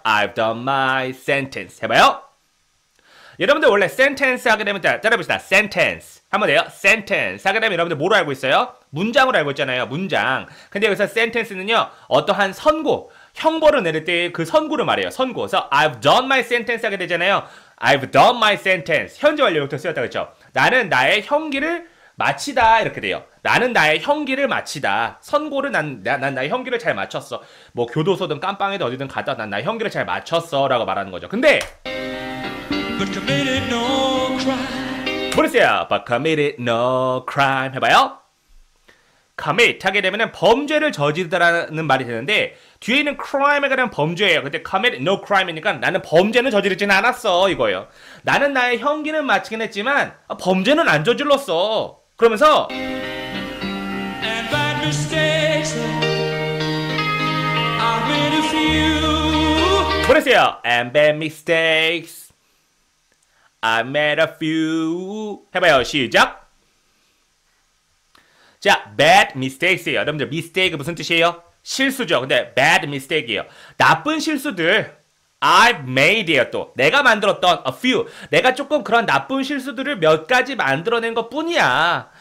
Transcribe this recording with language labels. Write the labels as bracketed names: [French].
[English] I've done my sentence. [Korean] 해봐요. 여러분들 원래 sentence 하게 되면, 따라해봅시다. sentence. 한번 해요. sentence 하게 되면 여러분들 뭐로 알고 있어요? 문장으로 알고 있잖아요. 문장. 근데 여기서 sentence는요, 어떠한 선고, 형벌을 내릴 때 그 선고를 말해요. 선고. 그래서 [English] I've done my sentence [Korean] 하게 되잖아요. [English] I've done my sentence. [Korean] 현재 완료부터 쓰였다. 그렇죠? 나는 나의 형기를 마치다. 이렇게 돼요. 나는 나의 형기를 마치다. 선고를 난 나의 형기를 잘 마쳤어. 뭐 교도소든 감방에도 어디든 갔다 난 나의 형기를 잘 마쳤어 라고 말하는 거죠. 근데 [English] But committed no crime. [Korean] 모르세요. [English] But committed no crime. [Korean] 해봐요. commit 하게 되면은 범죄를 저지르다라는 말이 되는데 뒤에 있는 crime에 관한 범죄예요. 근데 commit no crime이니까 나는 범죄는 저지르진 않았어 이거예요. 나는 나의 형기는 마치긴 했지만 범죄는 안 저질렀어. 그러면서 [English] And bad mistakes I've made a few. [Korean] 모르세요. [English] And bad mistakes I made a few. [Korean] 해봐요. 시작. 자, bad mistakes예요. 여러분들, mistake 무슨 뜻이에요? 실수죠. 근데 bad mistake예요. 나쁜 실수들. [English] I've made [Korean] 예요. 또 내가 만들었던 [English] a few. [Korean] 내가 조금 그런 나쁜 실수들을 몇 가지 만들어낸 것 뿐이야.